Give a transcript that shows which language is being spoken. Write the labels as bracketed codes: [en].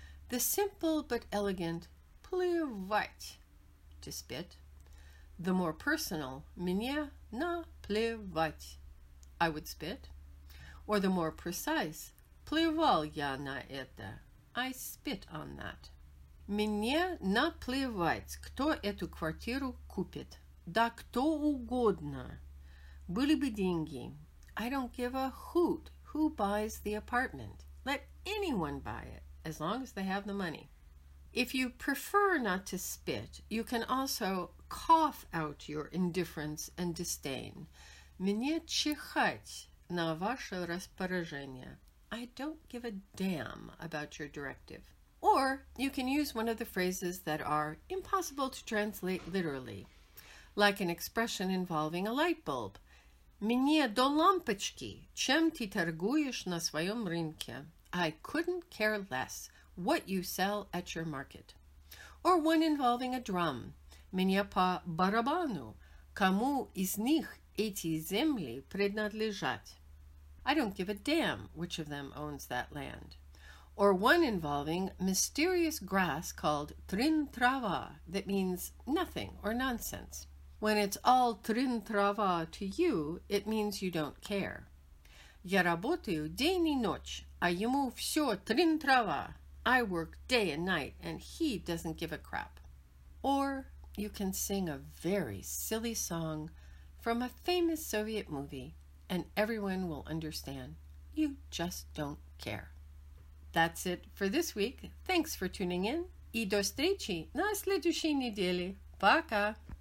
[en] The simple but elegant плевать, to spit. The more personal, мне на плевать, I would spit. Or the more precise, плевал я на это, I spit on that. [ru] Мне на плевать, кто эту квартиру купит. Да кто угодно. Были бы деньги. [en] I don't give a hoot who buys the apartment. Let anyone buy it, as long as they have the money. If you prefer not to spit, you can also cough out your indifference and disdain. [ru] Мне чихать на ваше распоряжение. [en] I don't give a damn about your directive. Or you can use one of the phrases that are impossible to translate literally, like an expression involving a light bulb. [ru] Мне до лампочки, чем ты торгуешь на своем рынке? [en] I couldn't care less what you sell at your market. Or one involving a drum. [ru] Мне по барабану, кому из них эти земли принадлежат? [en] I don't give a damn which of them owns that land. Or one involving mysterious grass called трин трава, that means nothing or nonsense. When it's all трин трава to you, it means you don't care. [ru] Я работаю день и ночь, а ему все трин трава. [en] I work day and night, and he doesn't give a crap. Or you can sing a very silly song from a famous Soviet movie, and everyone will understand. You just don't care. That's it for this week. Thanks for tuning in. [ru] И до встречи на следующей неделе. Пока!